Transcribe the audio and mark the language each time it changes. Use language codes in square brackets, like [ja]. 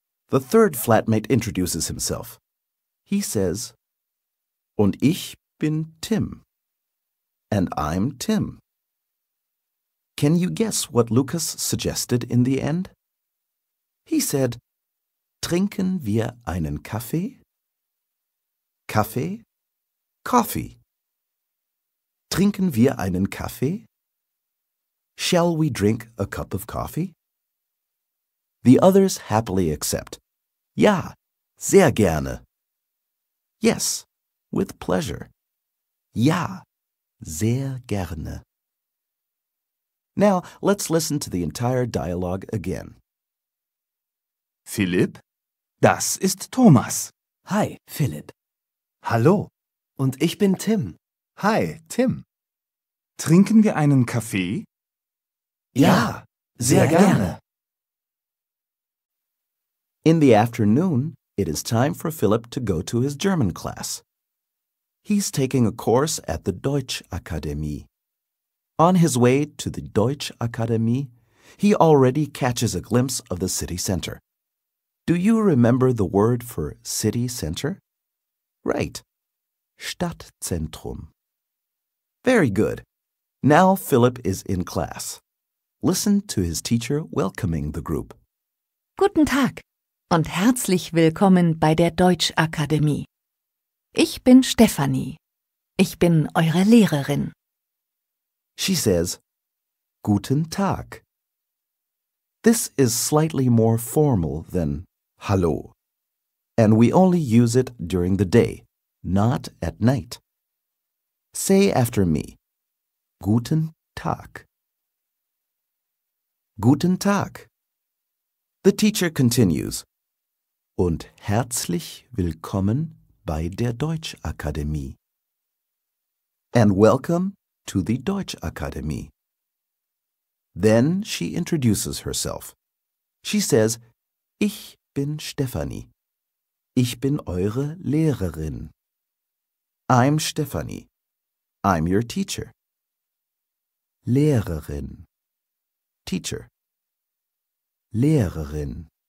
[en] The third flatmate introduces himself. He says, [de] und ich bin Tim. [en] And I'm Tim. Can you guess what Lukas suggested in the end? He said, [de] trinken wir einen Kaffee? Kaffee? [en] Coffee. [de] Trinken wir einen Kaffee? [en] Shall we drink a cup of coffee? The others happily accept. [de] Ja, sehr gerne. [en] Yes, with pleasure. [de] Ja, sehr gerne. [en] Now, let's listen to the entire dialogue again. [de] Philipp, das ist Thomas. Hi, Philipp. Hallo. Und ich bin Tim. Hi, Tim. Trinken wir einen Kaffee? Ja, sehr gerne. [en] In the afternoon, it is time for Philip to go to his German class. He's taking a course at the Deutsch Akademie. On his way to the Deutsch Akademie, he already catches a glimpse of the city center. Do you remember the word for city center? Right. Stadtzentrum. Very good. Now Philip is in class. Listen to his teacher welcoming the group. [de] Guten Tag und herzlich willkommen bei der Deutschakademie. Ich bin Stephanie. Ich bin eure Lehrerin. [en] She says, [de] Guten Tag. [en] This is slightly more formal than hallo, and we only use it during the day, not at night. Say after me, [de] Guten Tag. Guten Tag. [en] The teacher continues, [de] und herzlich willkommen bei der Deutschakademie. [en] And welcome to the Deutschakademie. Then she introduces herself. She says, [de] ich bin Stephanie. Ich bin eure Lehrerin. [en] I'm Stephanie. I'm your teacher. Lehrerin. Teacher. Lehrerin.